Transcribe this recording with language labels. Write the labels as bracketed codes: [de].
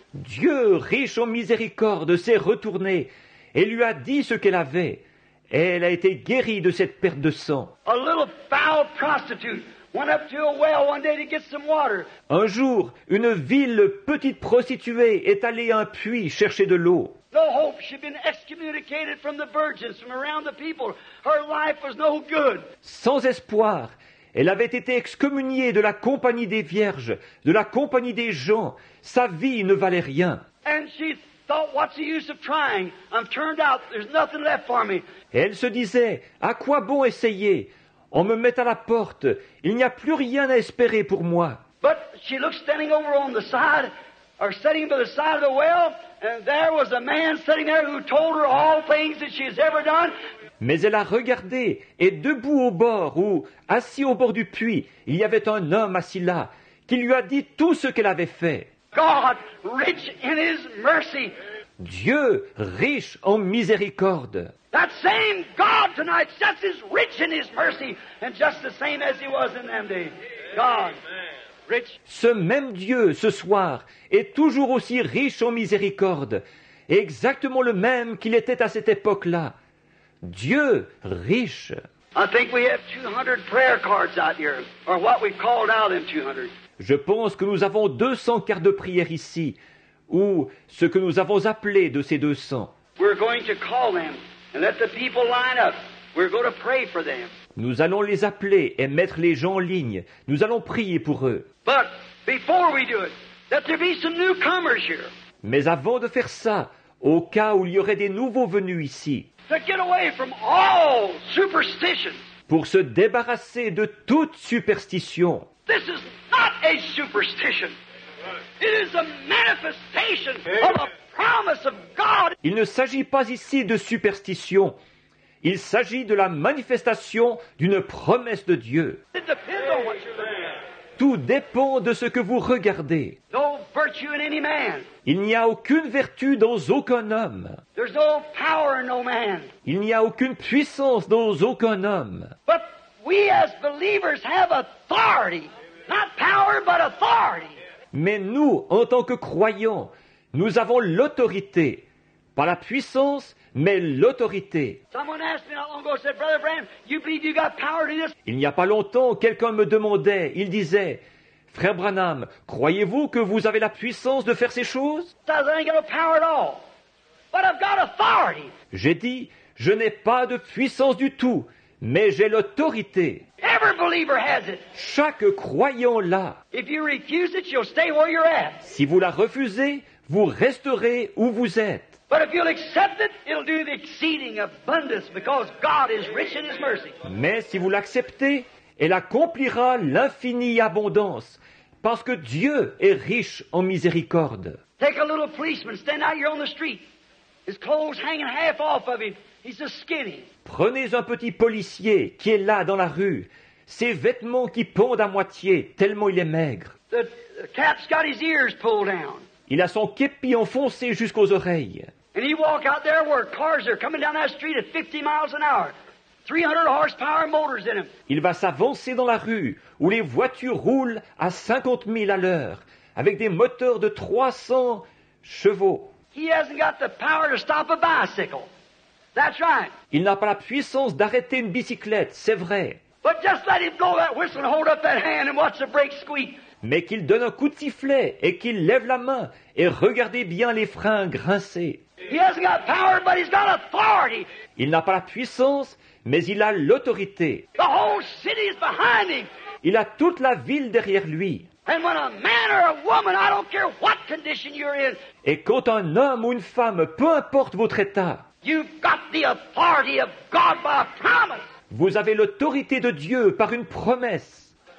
[fr] Dieu, riche en miséricorde, s'est retourné et lui a dit ce qu'elle avait. Et elle a été guérie de cette perte de sang. [en] A little foul prostitute went up to a well one day to get some water. [fr] Un jour, une vile petite prostituée est allée à un puits chercher de l'eau. [en] No hope, she'd been excommunicated from the virgins, from around the people. Her life was no good. [fr] Sans espoir, elle avait été excommuniée de la compagnie des vierges, de la compagnie des gens. Sa vie ne valait rien. [en] And she thought, what's the use of trying? I'm turned out. There's nothing left for me. [fr] Et elle se disait, à quoi bon essayer? On me met à la porte. Il n'y a plus rien à espérer pour moi. [en] But she looked standing over on the side, or sitting by the side of the well, and there was a man sitting there who told her all things that she has ever done. [fr] Mais elle a regardé, et debout au bord, ou assis au bord du puits, il y avait un homme assis là, qui lui a dit tout ce qu'elle avait fait. [en] God, rich in His mercy. [fr] Dieu, riche en miséricorde. [en] That same God tonight, just as rich in His mercy, and just the same as He was in them days. God, rich. [fr] Ce même Dieu, ce soir, est toujours aussi riche en miséricorde, et exactement le même qu'il était à cette époque-là. Dieu riche. [en] I think we have 200 prayer cards out here, or what we called out in 200. [fr] Je pense que nous avons 200 cartes de prière ici, ou ce que nous avons appelé de ces 200. [en] We're going to call them and let the people line up. We're going to pray for them. [fr] Nous allons les appeler et mettre les gens en ligne. Nous allons prier pour eux. [en] But before we do it, let there be some newcomers here. [fr] Mais avant de faire ça, au cas où il y aurait des nouveaux venus ici. [en] To get away from all superstition. [fr] Pour se débarrasser de toute superstition. [en] This is not a superstition. It is a manifestation of a promise of God. [fr] Il ne s'agit pas ici de superstition. Il s'agit de la manifestation d'une promesse de Dieu. [en] It depends on what you're looking at. [fr] Tout dépend de ce que vous regardez. [en] No virtue in any man. [fr] Il n'y a aucune vertu dans aucun homme. [en] There's no power in no man. [fr] Il n'y a aucune puissance dans aucun homme. [en] But we as believers have authority, not power, but authority. [fr] Mais nous, en tant que croyants, nous avons l'autorité, pas la puissance, mais l'autorité. [en] Someone asked me not long ago, said, Brother Branham, you believe you got power to this? [fr] Il n'y a pas longtemps, quelqu'un me demandait, il disait, Frère Branham, croyez-vous que vous avez la puissance de faire ces choses? [en] I ain't got no power at all, but I've got authority. [fr] J'ai dit, je n'ai pas de puissance du tout, mais j'ai l'autorité. [en] Every believer has it. [fr] Chaque croyant l'a. [en] If you refuse it, you'll stay where you're at. [fr] Si vous la refusez, vous resterez où vous êtes. [en] But if you'll accept it, it'll do the exceeding abundance because God is rich in His mercy. [fr] Mais si vous l'acceptez, elle accomplira l'infinie abondance parce que Dieu est riche en miséricorde. [en] Take a little policeman, stand out here on the street. His clothes hanging half off of him. He's just skinny. [fr] Prenez un petit policier qui est là dans la rue. Ses vêtements qui pondent à moitié, tellement il est maigre. [en] The cap's got his ears pulled down. [fr] Il a son képi enfoncé jusqu'aux oreilles. [en] And he walk out there where cars are coming down that street at 50 miles an hour. 300 horsepower motors in him. [fr] Il va s'avancer dans la rue où les voitures roulent à 50 milles à l'heure avec des moteurs de 300 chevaux. [en] He hasn't got the power to stop a bicycle. That's right. [fr] Il n'a pas la puissance d'arrêter une bicyclette, c'est vrai. [en] But just let him blow that whistle and hold up that hand and watch the brakes squeak. [fr] Mais qu'il donne un coup de sifflet et qu'il lève la main et regardez bien les freins grincer. [en] He hasn't got power, but he's got authority. [fr] Il n'a pas la puissance, mais il a l'autorité. [en] The whole city is behind him. [fr] Il a toute la ville derrière lui. [en] And when a man or a woman, I don't care what condition you're in. [fr] Et quand un homme ou une femme, peu importe votre état, [en] you've got the authority of God by a promise. [fr] Vous avez l'autorité de Dieu par une promesse.